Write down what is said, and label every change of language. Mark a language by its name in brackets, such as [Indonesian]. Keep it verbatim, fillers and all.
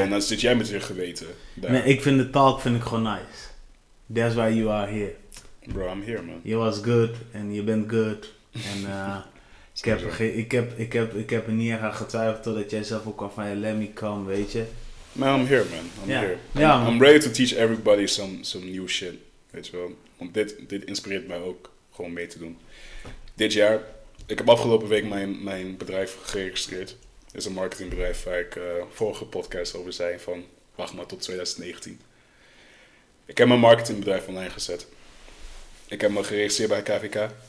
[Dutch] en dan zit jij met je geweten. Daar. Nee, ik vind de talk vind ik gewoon nice. [English] That's why you are here. Bro, I'm here man. You was good [Dutch] en je bent [English] good. [Dutch] En uh, ik, heb, ik, heb, ik, heb, ik heb er niet aan getwijfeld totdat jij zelf ook kwam van, [English] hey, let me come, [Dutch] weet je. [English] Maar I'm here, man. I'm yeah. here. Yeah, I'm, man. I'm ready to teach everybody some, some new shit. [Dutch] Weet je wel. Want dit, dit inspireert mij ook gewoon mee te doen. Dit jaar, ik heb afgelopen week mijn, mijn bedrijf geregistreerd. Het is een marketingbedrijf waar ik uh, vorige podcast over zei van, wacht maar tot twintig negentien. Ik heb mijn marketingbedrijf online gezet. Ik heb me geregistreerd bij K V K.